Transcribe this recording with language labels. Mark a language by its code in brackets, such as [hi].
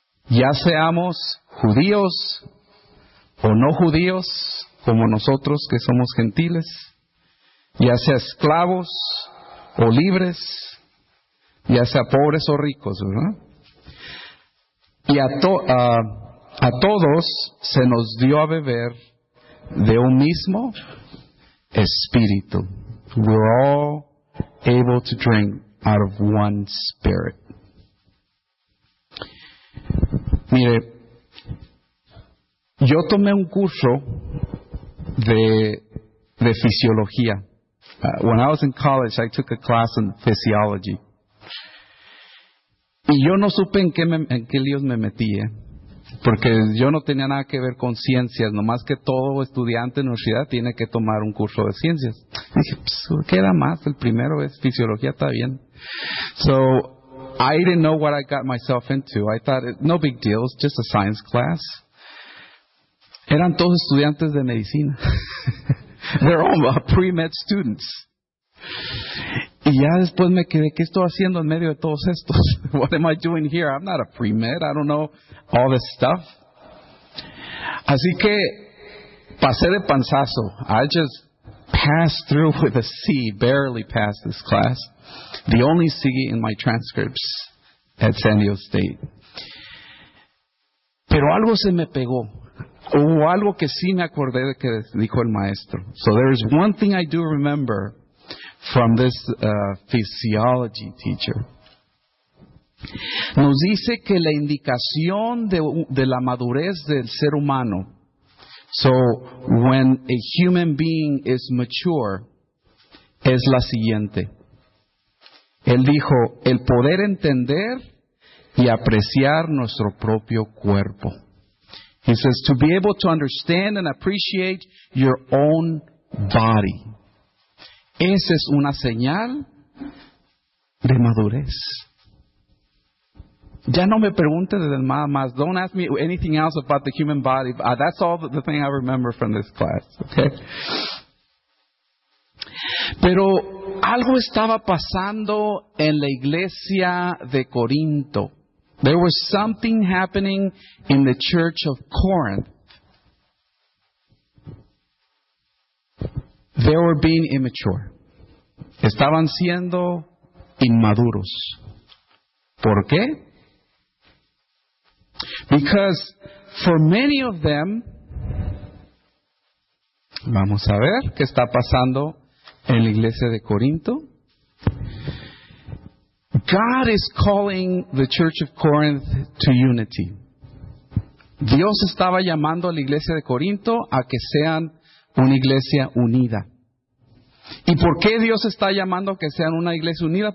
[es] Ya seamos judíos o no judíos, como nosotros que somos gentiles, ya sea esclavos o libres, ya sea pobres o ricos, ¿verdad? Y a todos se nos dio a beber de un mismo espíritu. [en] We're all able to drink out of one spirit. [es] Mire, yo tomé un curso de fisiología. [en] When I was in college, I took a class in physiology. [es] Y yo no supe en qué líos me metí, ¿eh? Porque yo no tenía nada que ver con ciencias, nomás que todo estudiante en universidad tiene que tomar un curso de ciencias. Y dije, pues, ¿qué da más? El primero es fisiología, está bien. [en] So, I didn't know what I got myself into. I thought, no big deal, it's just a science class. [es] Eran todos estudiantes de medicina. [en] They're all pre-med students. [es] Y ya después me quedé, ¿qué estoy haciendo en medio de todos estos? [en] What am I doing here? I'm not a pre-med. I don't know all this stuff. [es] Así que pasé de panzazo. [en] I just passed through with a C, barely passed this class. The only C in my transcripts at San Diego State. [es] Pero algo se me pegó. Hubo algo que sí me acordé de que dijo el maestro. [en] So there is one thing I do remember from this physiology teacher. [es] Nos dice que la indicación de la madurez del ser humano. [en] So when a human being is mature, [es] es la siguiente. Él dijo, el poder entender y apreciar nuestro propio cuerpo. [en] He says, to be able to understand and appreciate your own body. [es] Esa es una señal de madurez. Ya no me pregunte de más. [en] Don't ask me anything else about the human body. That's all the thing I remember from this class. Okay. [es] Pero algo estaba pasando en la iglesia de Corinto. [en] There was something happening in the church of Corinth. They were being immature. [es] Estaban siendo inmaduros. ¿Por qué? [en] Because for many of them, [es] vamos a ver qué está pasando en la iglesia de Corinto. [en] God is calling the church of Corinth to unity. [es] Dios estaba llamando a la iglesia de Corinto a que sean una iglesia unida. ¿Y por qué Dios está llamando a que sean una iglesia unida?